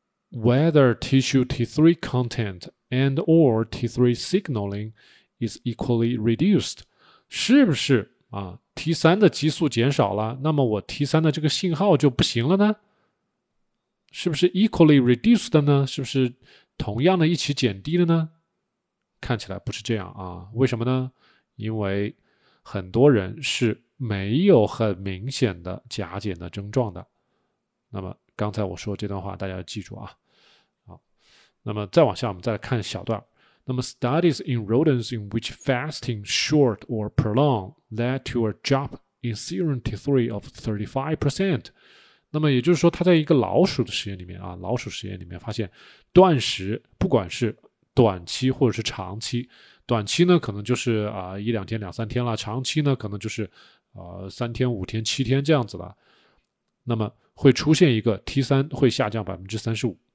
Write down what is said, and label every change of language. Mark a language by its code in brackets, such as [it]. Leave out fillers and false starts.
[en] Whether tissue T3 content and or T3 signaling is equally reduced， [zh] 是不是啊 T3 的激素减少了，那么我 T3 的这个信号就不行了呢？是不是 [en] equally reduced [zh] 的呢？是不是同样的一起减低了呢？看起来不是这样啊。为什么呢？因为很多人是没有很明显的甲减的症状的。那么刚才我说这段话大家要记住啊。好，那么再往下我们再看小段。那么 [en] studies in rodents in which fasting short or prolonged led to a drop in serum T3 of 35%。 [zh] 那么也就是说他在一个老鼠的实验里面啊，老鼠实验里面发现断食不管是短期或者是长期，短期呢可能就是一两天两三天了，长期呢可能就是三天五天七天这样子了，那么会出现一个 T3 会下降 35%。